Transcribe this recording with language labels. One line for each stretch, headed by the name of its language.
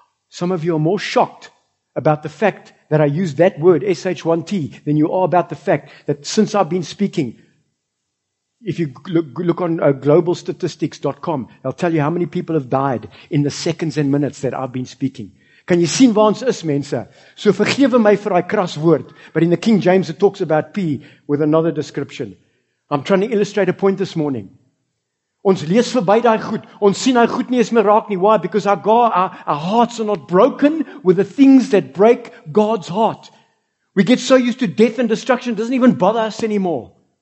English: Some of you are more shocked about the fact that I use that word, S-H-1-T, than you are about the fact that since I've been speaking, if you look on globalstatistics.com, they'll tell you how many people have died in the seconds and minutes that I've been speaking. Can you see
Afrikaans: waar ons is, mense? So vergewe my vir daai kras woord.
English: But in the King James, it talks about P with another description. I'm trying to illustrate a point this morning.
Afrikaans: Ons lees verby daai goed. Ons sien daai goed nie eens meer raak nie.
English: Why? Because our hearts are not broken with the things that break God's heart. We get so used to death and destruction, it doesn't even bother us anymore.